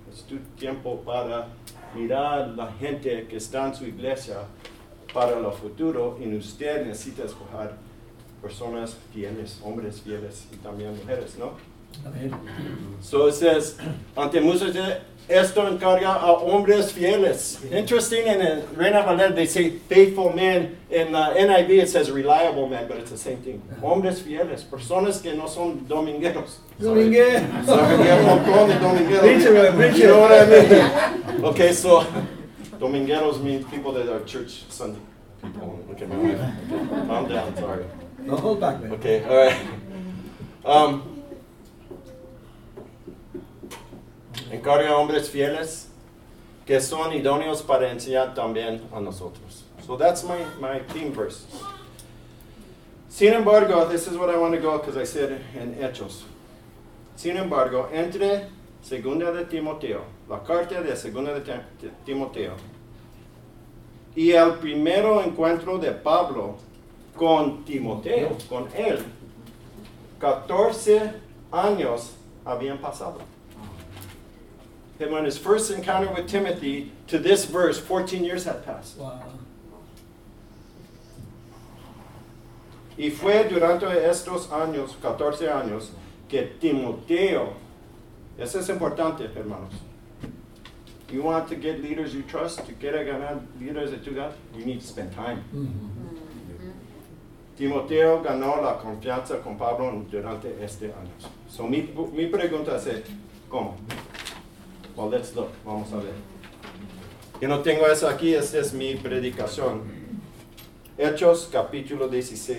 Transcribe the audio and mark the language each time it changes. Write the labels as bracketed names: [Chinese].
[Spanish] Es tu tiempo para mirar la gente que está en su iglesia para el futuro, y usted necesita escoger personas fieles, hombres fieles y también mujeres, ¿no? Amén. [English] So it says, [Spanish] ante muchos de esto encarga a hombres fieles. [English] Interesting, in Reina Valera, they say faithful men. In NIV, it says reliable men, but it's the same thing. [Spanish] Hombres fieles, personas que no son domingueros. Domingueros. [English] Sorry, we have a [Spanish] montón de domingueros. [English] Preacher, you know what I mean? Okay, so domingueros mean people that are church Sunday people. Okay, my wife. Calm down, sorry. No, hold back, man. Okay, all right. [Spanish] Encarga a hombres fieles que son idóneos para enseñar también a nosotros. [English] So that's my theme verse. [Spanish] Sin embargo, [English] this is what I want to go, because I said in Hechos. [Spanish] Sin embargo, entre Segunda de Timoteo, la carta de Segunda de Timoteo, y el primero encuentro de Pablo con Timoteo, con él, 14 años habían pasado. [English] And when his first encounter with Timothy, to this verse, 14 years had passed. Wow. [Spanish] Y fue durante estos años, 14 años, que Timoteo, eso es importante, hermanos. [English] You want to get leaders you trust, to get [Spanish] a ganar [English] leaders that you got, you need to spend time. Mm-hmm. [Spanish] Timoteo ganó la confianza con Pablo durante este año. So mi pregunta es, ¿cómo? [English] Well, let's look. [Spanish] Vamos a ver. Yo no tengo eso aquí. Esta es mi predicación. Hechos, capítulo 16.